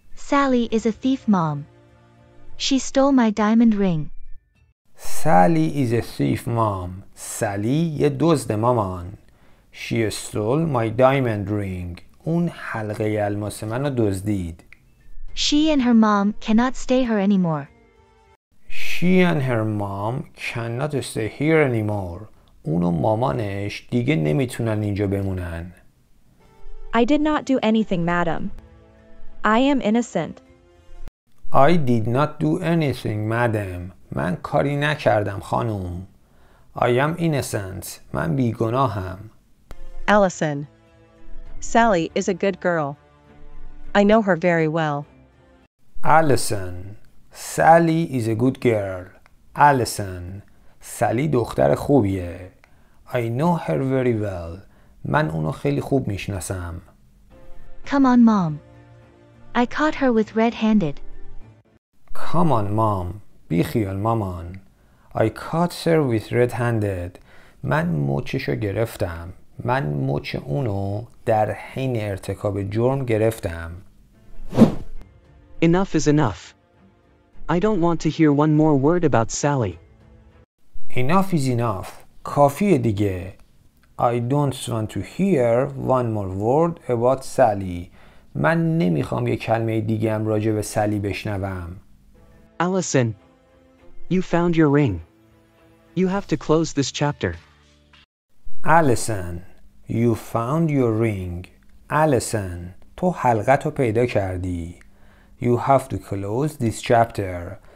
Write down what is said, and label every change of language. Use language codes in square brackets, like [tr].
[en] Sally is a thief, mom. She stole my diamond ring. Sally is a thief, mom. Sally [fa] یه دزد مامان. [en] She stole my diamond ring. [fa] اون حلقه الماس منو دزدید. [en] She and her mom cannot stay here anymore. She and her mom cannot stay here anymore. [fa] اون و مامانش دیگه نمیتونن اینجا بمونن. [en] I did not do anything, madam. I am innocent. I did not do anything, madam. [fa] من کاری نکردم خانم. [en] I am innocent. [fa] من بیگناهم. [en] Allison. Sally is a good girl. I know her very well. Allison. Sally is a good girl. Allison. Sally [fa] دختر خوبیه. [en] I know her very well. [fa] من اونو خیلی خوب میشناسم. [en] Come on, mom. I caught her with red-handed. Come on, mom. [fa] بی خیال مامان. [en] I caught her with red-handed. [fa] من مچشو گرفتم. من مچ اونو در حین ارتکاب جرم گرفتم. [en] Enough is enough. I don't want to hear one more word about Sally. Enough is enough. [fa] کافیه دیگه. [en] I don't want to hear one more word about Sally. [fa] من نمیخوام یه کلمه دیگه هم راجع به سالی بشنوم. [en] Allison, you found your ring. You have to close this chapter. Allison, you found your ring. Allison, [fa] تو حلقه تو پیدا کردی. [en] You have to close this chapter.